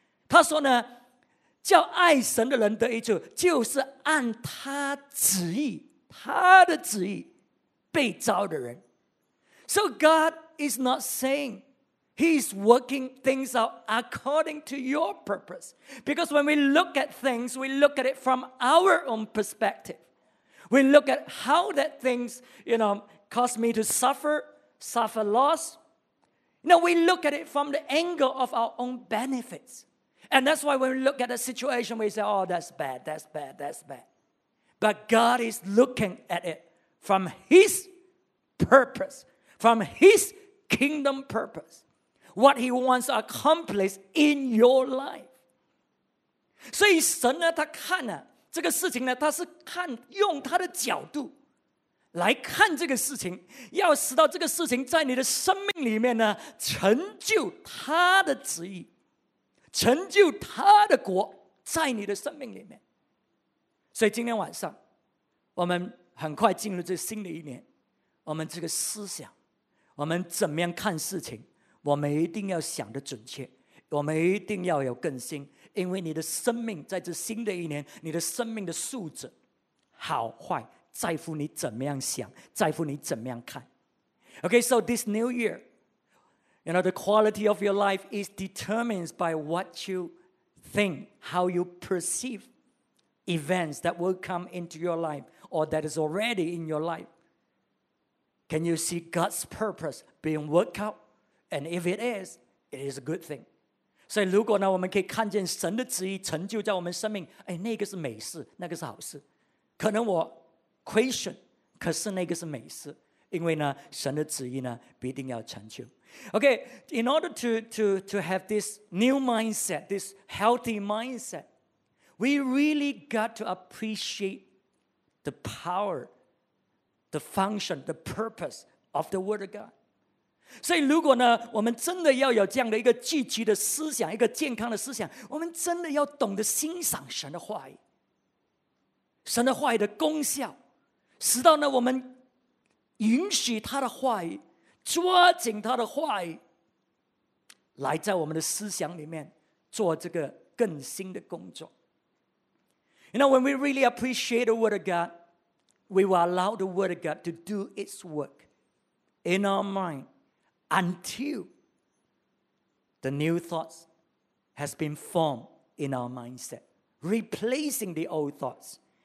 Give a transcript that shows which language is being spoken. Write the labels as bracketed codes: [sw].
[zh] 他说呢，叫爱神的人得益处，就是按他旨意，他的旨意被召的人。 [en] So God is not sayingHe's working things out according to your purpose. Because when we look at things, we look at it from our own perspective. We look at how that things, you know, cause me to suffer loss. No, we look at it from the angle of our own benefits. And that's why when we look at a situation, we say, oh, that's bad. But God is looking at it from his purpose, from his kingdom purpose.What he wants to accomplish in your life. [zh] 所以神呢，他看呢、啊、这个事情呢，他是看用他的角度来看这个事情，要使到这个事情在你的生命里面呢，成就他的旨意，成就他的国在你的生命里面。所以今天晚上，我们很快进入这新的一年，我们这个思想，我们怎么样看事情，我们一定要想得准确，我们一定要有更新，因为你的生命在这新的一年，你的生命的素质好坏在乎你怎么样想，在乎你怎么样看。 [en] OK, so this new year, you know, the quality of your life is determined by what you think, how you perceive events that will come into your life or that is already in your life. Can you see God's purpose being worked out? And if it is, it is a good thing. [zh] 所以如果呢，我们可以看见神的旨意成就在我们生命，哎，那个是美事，那个是好事。可能我 [en] question, [zh] 可是那个是美事，因为呢，神的旨意呢，必定要成就。 [en] Okay, in order to have this new mindset, this healthy mindset, we really got to appreciate the power, the function, the purpose of the Word of God. [zh] 所以如果呢，我们真的要有这样的一个积极的思想，一个健康的思想，我们真的要懂得欣赏神的话语，神的话语的功效，使到呢，我们允许他的话语，抓紧他的话语，来在我们的思想里面做这个更新的工作。 [en] You know, when we really appreciate the Word of God, we will allow the Word of God to do its work in our mind until the new thoughts has been formed in our mindset, replacing the old thoughts.